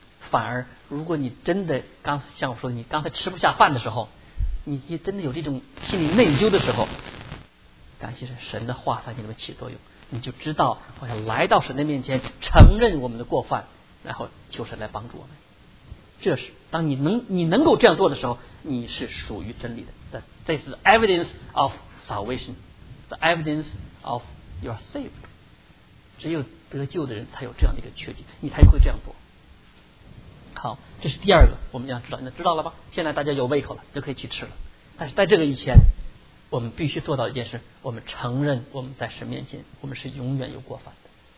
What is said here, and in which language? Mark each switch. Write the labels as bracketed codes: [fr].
[zh] 反而如果你真的刚像我说的，你刚才吃不下饭的时候，你真的有这种心里内疚的时候，感谢神的话在你里面起作用，你就知道我要来到神的面前承认我们的过犯，然后求神来帮助我们。这是当你能够这样做的时候，你是属于真理的。 [en] That is the evidence of salvation, the evidence of you are saved。 [zh] 只有得救的人才有这样的一个确据，你才会这样做。好，这是第二个我们要知道。那知道了吧，现在大家有胃口了，就可以去吃了。但是在这个以前，我们必须做到一件事，我们承认我们在神面前我们是永远有过犯的。